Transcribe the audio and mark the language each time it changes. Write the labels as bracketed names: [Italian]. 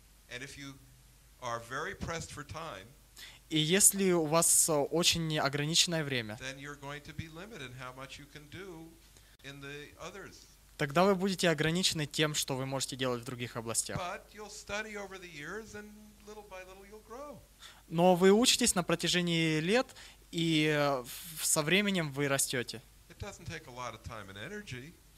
[English] And if you are very pressed for time, [Russian] и если у вас очень ограниченное время, [English] then you're going to be limited in how much you can do in the others. [Russian] Тогда вы будете ограничены тем, что вы можете делать в других областях. [English] But you'll study over the years, and little by little you'll grow. [Russian] Но вы учитесь на протяжении лет, и со временем вы растете. [English] It doesn't take a lot of time and energy.